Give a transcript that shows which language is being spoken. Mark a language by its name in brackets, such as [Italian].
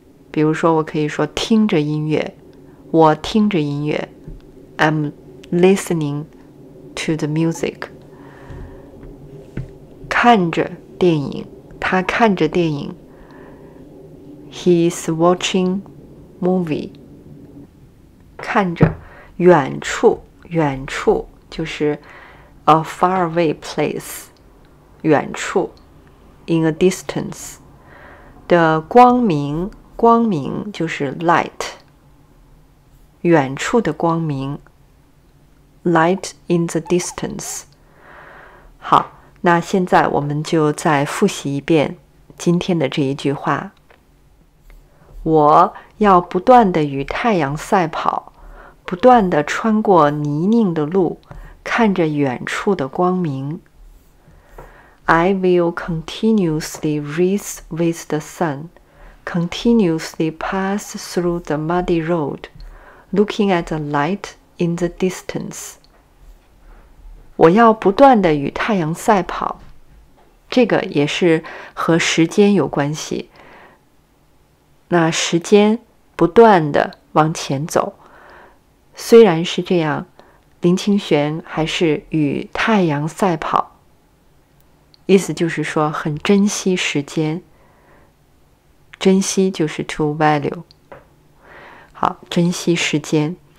[Chinese] 比如说我可以说听着音乐，我听着音乐， [English] I'm listening to the music。 [Chinese] 看着电影，他看着电影， [English] He's watching movie。 [Chinese] 看着远处就是 [English] a faraway place， [Chinese] 远处 [English] in a distance。 [Chinese] 的光明就是 light， 远处的光明 [English] light in the distance。 [Chinese] 好，那现在我们就再复习一遍今天的这一句话。我要不断地与太阳赛跑，不断地穿过泥泞的路，看着远处的光明。 [English] I will continuously race with the sun, continuously pass through the muddy road, looking at the light in the distance. [Chinese] 我要不断地与太阳赛跑，这个也是和时间有关系。那时间不断地往前走，虽然是这样，林清玄还是与太阳赛跑，意思就是说很珍惜时间，珍惜就是 to value， 好，珍惜时间。